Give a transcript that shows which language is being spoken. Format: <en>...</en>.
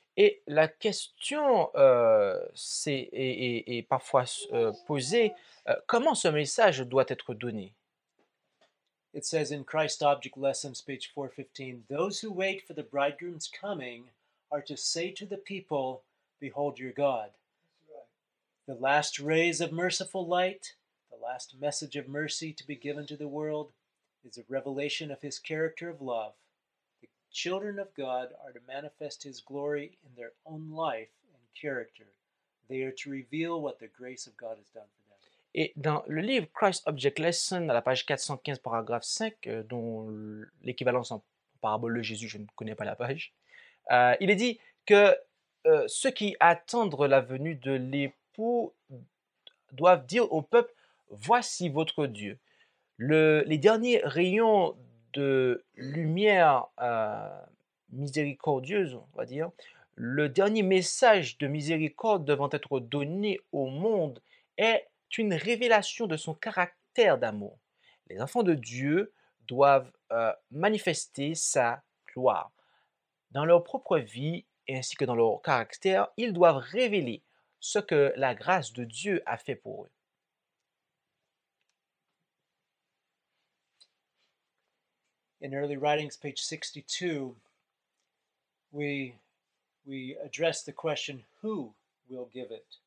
<fr>Et la question est parfois posée, comment ce message doit être donné?</fr> <en>It says in Christ Object Lesson, page 415, those who wait for the bridegroom's coming are to say to the people, behold your God. The last rays of merciful light, the last message of mercy to be given to the world, is a revelation of his character of love. The children of God are to manifest his glory in their own life and character. They are to reveal what the grace of God has done for them.</en> <fr>Et dans le livre Christ Object Lesson, à la page 415, paragraphe 5, dont l'équivalence en parabole de Jésus, je ne connais pas la page, Il est dit que ceux qui attendent la venue de l'époux doivent dire au peuple, voici votre Dieu. Les derniers rayons de lumière miséricordieuse, on va dire, le dernier message de miséricorde devant être donné au monde est une révélation de son caractère d'amour. Les enfants de Dieu doivent manifester sa gloire. Dans leur propre vie ainsi que dans leur caractère, ils doivent révéler ce que la grâce de Dieu a fait pour eux.</fr> <en>In early writings, page 62, we address the question, who will give it?</en>